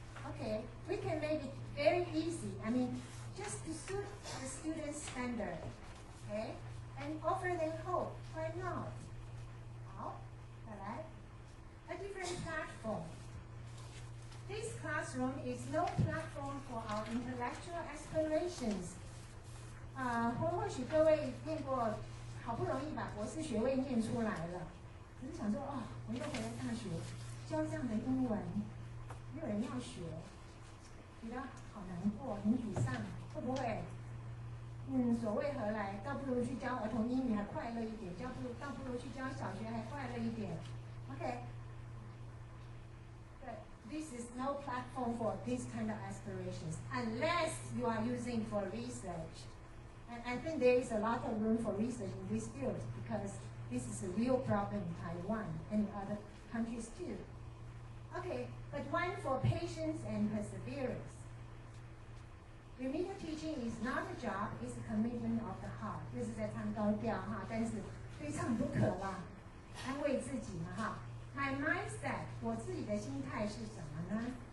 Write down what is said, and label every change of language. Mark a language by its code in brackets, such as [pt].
[en] Okay, we can make it very easy. Just to suit the student's standard, okay? And offer them hope, why not? [zh] 好，再来。 [en] A different platform. This classroom is no platform for our intellectual aspirations. [zh] 或许各位念过，好不容易把博士学位念出来了，可是想说，我又回来大学，教这样的英文，没有人要学，觉得好难过，很沮丧。会不会？所谓何来？倒不如去教儿童英语还快乐一点，倒不如去教小学还快乐一点。 [en] OK， but this is no platform for this kind of aspirations unless you are using for research. And I think there is a lot of room for research in this field because this is a real problem in Taiwan and other countries too. OK, but one for patience and perseverance. Remedial teaching is not a job, it's a commitment of the heart. [zh] 就是在唱高调哈，但是非唱不可吧，安慰自己嘛哈。 [en] My mindset, [zh] 我自己的心态是什么呢？